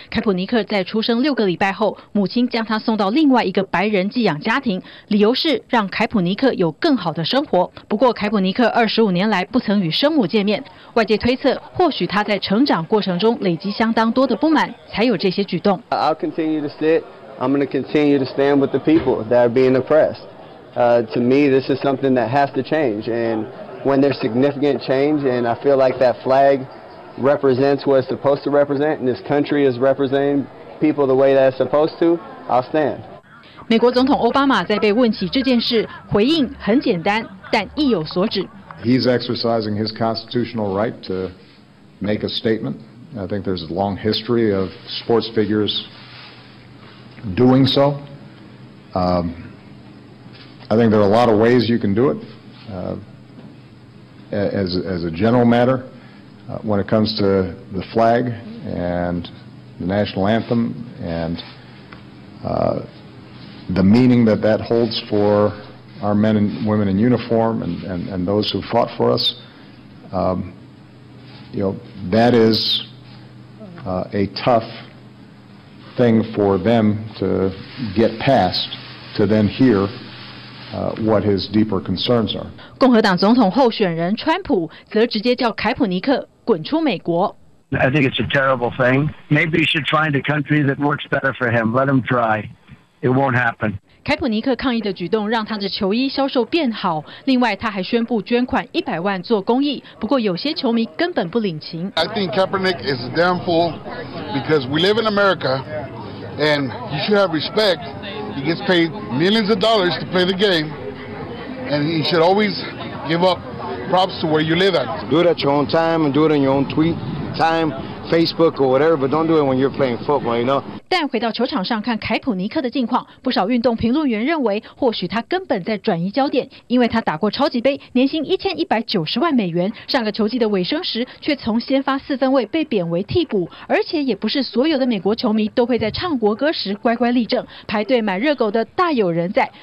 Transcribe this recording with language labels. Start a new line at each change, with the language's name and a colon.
Chinese: 凯普尼克在出生6个礼拜后，母亲将他送到另外一个白人寄养家庭，理由是让凯普尼克有更好的生活。不过凯普尼克25年来不曾与生母见面，外界推测或许他在成长过程中累积相当多的不满，才有这些举动。
English: I'll continue to sit. I'm going to continue to stand with the people that are being oppressed. To me, this is something that has to change. And when there's significant change, and I feel like that flag represents what it's supposed to represent, and this country is representing people the way that it's supposed to, I'll stand.
Chinese: 美国总统奥巴马在被问起这件事，回应很简单，但意有所指。
English: He's exercising his constitutional right to make a statement. I think there's a long history of sports figures doing so. I think there are a lot of ways you can do it. As a general matter, when it comes to the flag and the national anthem and the meaning that that holds for our men and women in uniform and those who fought for us, that is... A tough thing for them to get past, to then hear what his deeper concerns are.
Chinese: 共和党总统候选人川普则直接叫凯普尼克滚出美国。
English: I think it's a terrible thing. Maybe he should find a country that works better for him. Let him try. It won't happen.
Chinese: 凯普尼克抗议的举动让他的球衣销售变好，另外他还宣布捐款100万做公益，不过有些球迷根本不领情。
English: I think Kaepernick is a damn fool because we live in America and he should have respect. He gets paid millions of dollars to play the game and he should always give up props to where you live at. Do it at your own time and do it in your own tweet time. Facebook or whatever, but don't do it when you're playing football, you know.
Chinese: 但回到球场上看凯普尼克的近况，不少运动评论员认为，或许他根本在转移焦点，因为他打过超级杯，年薪1190万美元。上个球季的尾声时，却从先发四分卫被贬为替补，而且也不是所有的美国球迷都会在唱国歌时乖乖立正，排队买热狗的大有人在。